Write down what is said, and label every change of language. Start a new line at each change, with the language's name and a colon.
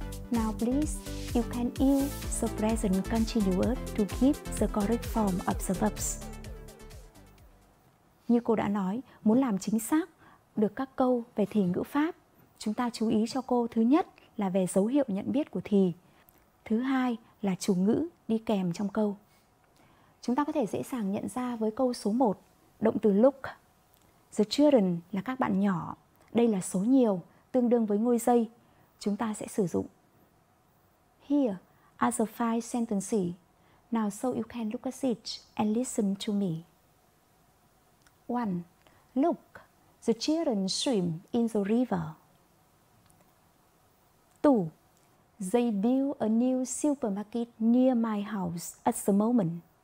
English: Now please, you can use the present continuous to keep the correct form of the verbs.
Vietnamese: Như cô đã nói, muốn làm chính xác được các câu về thì ngữ pháp, chúng ta chú ý cho cô thứ nhất là về dấu hiệu nhận biết của thì. Thứ hai là chủ ngữ đi kèm trong câu. Chúng ta có thể dễ dàng nhận ra với câu số 1, động từ look. The children là các bạn nhỏ. Đây là số nhiều, tương đương với ngôi dây.
English: Chúng ta sẽ sử dụng. Here are the five sentences. Now so you can look at it and listen to me. 1. Look, the children swim in the river. 2. They build a new supermarket near my house at the moment.